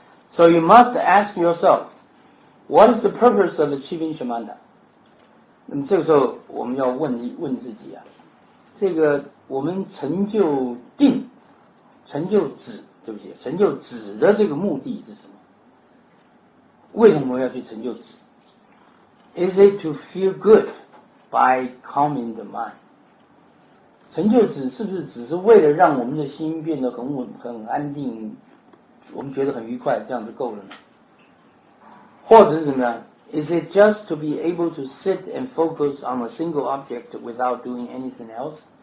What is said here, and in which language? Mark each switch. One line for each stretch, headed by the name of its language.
English: So you must ask yourself, what is the purpose of achieving shamatha?
Chinese: 那么这个时候我们要问自己啊，这个我们成就定、成就止，对不起，成就止的这个目的是什么？为什么要去成就止？
English: Is it to feel good by calming the mind?
Chinese: 成就止是不是只是为了让我们的心变得很稳、很安定，我们觉得很愉快，这样就够了呢？或者是怎么样
English: ？Is it just to be able to sit and focus on a single object without doing anything else?